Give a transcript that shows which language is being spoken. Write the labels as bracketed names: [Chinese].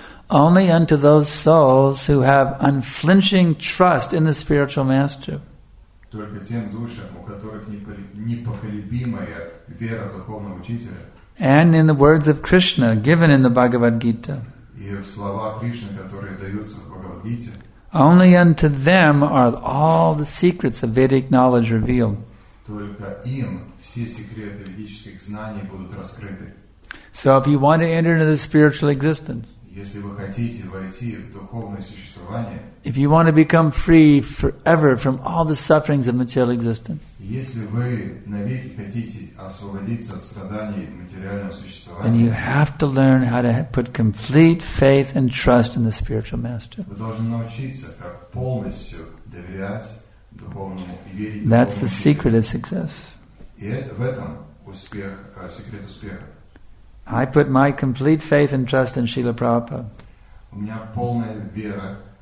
[English] Only unto those souls who have unflinching trust in the spiritual master. [Russian] Только тем душам, у которых непоколебимая вера духовного учителя. [English] And in the words of Krishna, given in the Bhagavad Gita. [Russian] И в словах Кришны, которые даются в Бхагавад Гите. [English] Only unto them are all the secrets of Vedic knowledge revealed. [Russian] Только им все секреты ведических знаний будут раскрыты. [English] So if you want to enter into the spiritual existence, [Russian] если вы хотите войти в духовное существование, [English] if you want to become free forever from all the sufferings of material existence, [Russian] если вы навеки хотите освободиться от страданий материального существования, [English] then you have to learn how to put complete faith and trust in the spiritual master. [Russian] Вы должны научиться, как полностью доверять духовному и верить. [English] That's the secret of success. [Russian] И это, в этом успех, секрет успеха. [English] I put my complete faith and trust in Srila Prabhupada.